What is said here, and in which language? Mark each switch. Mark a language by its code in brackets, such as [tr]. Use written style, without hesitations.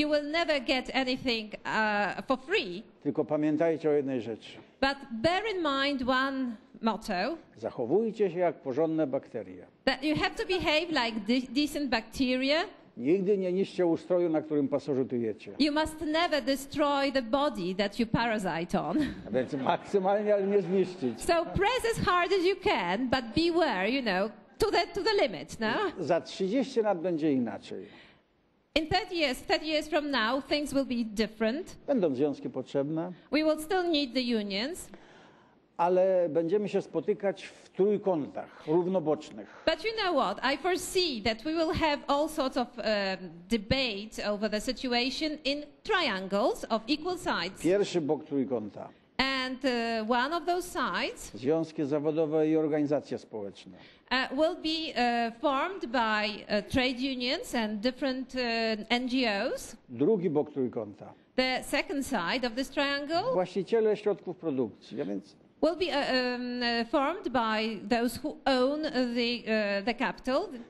[en] You will never get anything for free. [pl] Tylko pamiętajcie o jednej rzeczy. [en] But bear in mind one motto. [pl] Zachowujcie się jak porządne bakterie. [en] That you have to behave like decent bacteria. [pl] Nigdy nie niszczcie ustroju, na którym pasożytujecie. [en] You must never destroy the body that you parasite on. [pl] A więc maksymalnie, ale nie zniszczyć. [en] So press as hard as you can, but beware, you know, to the limit, no? [pl] Za 30 lat będzie inaczej. [en] In 30 years from now, things will be different. [pl] Będą związki potrzebne. [en] We will still need the unions. [pl] Ale będziemy się spotykać w trójkątach równobocznych. [en] But you know what? I foresee that we will have all sorts of debate over the situation in triangles of equal sides. [pl] Pierwszy bok trójkąta. [en] And one of those sides. [pl] Związki zawodowe i organizacje społeczne. [en] Will be formed by trade unions and different NGOs. [pl] Drugi bok trójkąta. [en] The second side of this triangle. [pl] Właściciele środków produkcji, a więc. [en] Will be formed by those who own the capital.